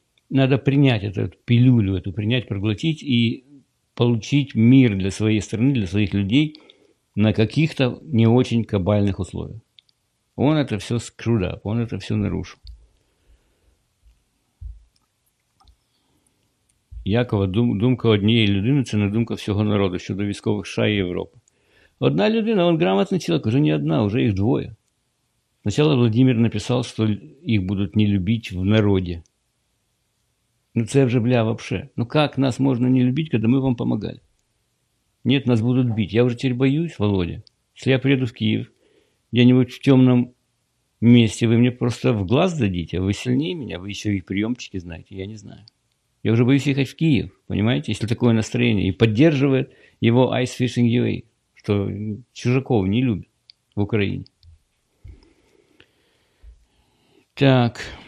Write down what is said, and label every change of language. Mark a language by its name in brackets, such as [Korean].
[Russian] Надо принять эту пилюлю, эту принять, проглотить и получить мир для своей страны, для своих людей на каких-то не очень кабальных условиях. Он это все [English] screwed up, [Russian] он это все нарушил. [Ukrainian] Якова думка однієї людини – це не думка всього народу щодо військових США і Європи. Одна людина, він грамотний чоловік, вже не одна, вже їх двоє. Спочатку Володимир написав, що їх будуть не любити в народі. Ну це вже, бля, взагалі. Ну як нас можна не любити, коли ми вам допомагали? Ні, нас будуть бити. Я вже тепер боюсь, Володя. Якщо я приїду в Київ, где-нибудь в темному місці, ви мені просто в глаз дадите, ви сильніше мене, ви ще і прийомчики знаєте, я не знаю. [Russian] Я уже боюсь ехать в Киев, понимаете, если такое настроение. И поддерживает его Ice Fishing UA, что чужаков не любят в Украине. Так.